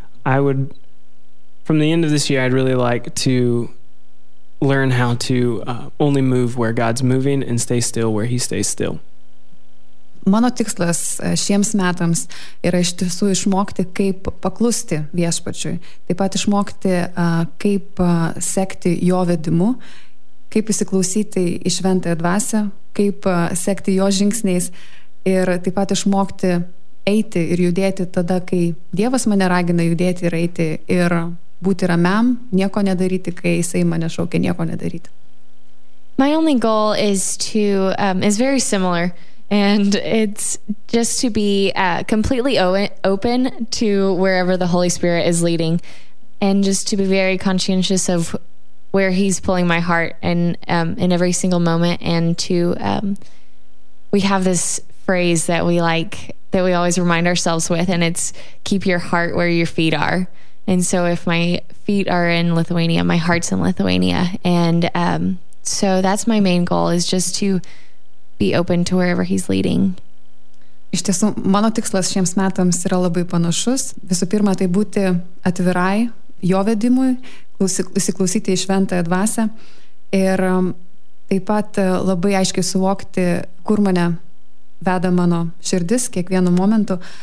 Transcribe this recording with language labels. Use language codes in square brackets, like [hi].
[en] I would, from the end of this year, I'd really like to learn how to only move where God's moving and stay still where He stays still. [lt] Mano tikslas šiems metams yra iš tiesų išmokti, kaip paklusti Viešpačiui. Taip pat išmokti, kaip sekti jo vedimu, kaip įsiklausyti į šventąją dvasę, kaip sekti jo žingsniais ir taip pat išmokti eiti ir judėti tada, kai Dievas mane ragina judėti ir eiti ir būti ramiam, nieko nedaryti, kai jisai mane šaukia nieko nedaryti. [en] My only goal is very similar. And it's just to be completely open to wherever the Holy Spirit is leading and just to be very conscientious of where He's pulling my heart and in every single moment and to, we have this phrase that we like, that we always remind ourselves with and it's keep your heart where your feet are. And so if my feet are in Lithuania, my heart's in Lithuania. And so that's my main goal is just to be open to wherever He's leading. [lt] Iš tiesų, mano tikslas šiems metams yra labai panašus. Visų pirma, tai būti atvirai jo vedimui, įsiklausyti į šventąją dvasę ir taip pat labai aiškiai suvokti, kur mane veda mano širdis kiekvienu momentu.